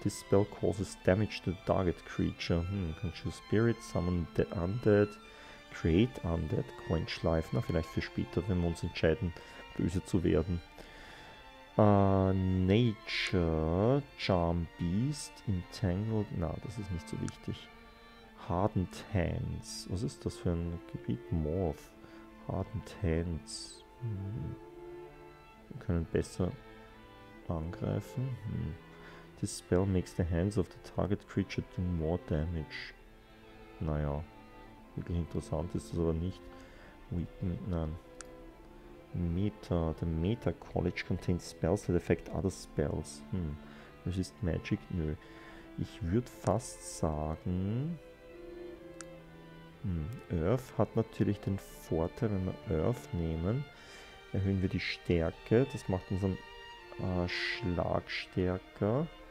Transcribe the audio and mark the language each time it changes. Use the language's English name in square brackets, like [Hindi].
[English] This spell causes damage to the target creature. Control Spirit, Summon the Undead, Create Undead, Quench Life. [German] Na, vielleicht für später, wenn wir uns entscheiden, böse zu werden. [English] Nature, Charm Beast, Entangled. [German] Na, das ist nicht so wichtig. Hardened Hands. Was ist das für ein Gebiet? Morph. Hardened Hands. Wir können besser angreifen. [English] This spell makes the hands of the target creature do more damage. [German] Naja, wirklich interessant ist das aber nicht. Weaken, nein. [English] Meta, the Meta College contains spells that affect other spells. [German] Was ist Magic? Nö. Ich würde fast sagen, Earth hat natürlich den Vorteil, wenn wir Earth nehmen, erhöhen wir die Stärke, das macht unseren Schlag stärker.